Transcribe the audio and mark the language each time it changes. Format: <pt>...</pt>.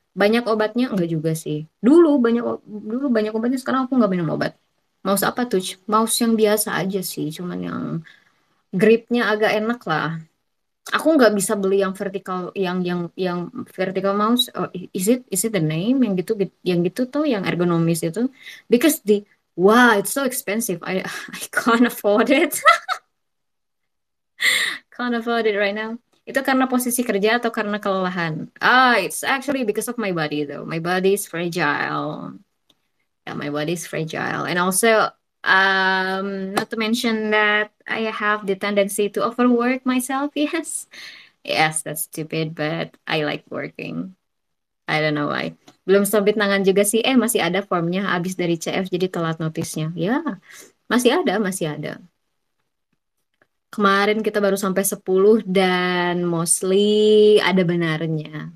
<id>Banyak obatnya enggak juga sih. Dulu banyak obatnya, sekarang aku enggak minum obat. Mouse apa tuh? Mouse yang biasa aja sih, cuman yang gripnya agak enak lah. Aku enggak bisa beli yang vertical, yang vertical mouse. Oh,</id> <en>is it the name</en> <id>yang gitu tuh, yang ergonomis itu?</id> <en>Because the wow, it's so expensive. I can't afford it. Can't afford it right now.</en> <id>Itu karena posisi kerja atau karena kelelahan?</id> <en>Ah, it's actually because of my body though. My body is fragile. Yeah, my body is fragile. And also not to mention that I have the tendency to overwork myself. Yes. Yes, that's stupid, but I like working. I don't know why.</en> <id>Belum sobit tangan juga sih. Masih ada formnya. Abis dari CF, jadi telat notisnya. Ya, masih ada. Kemarin kita baru sampai 10 dan mostly ada benarnya.</id>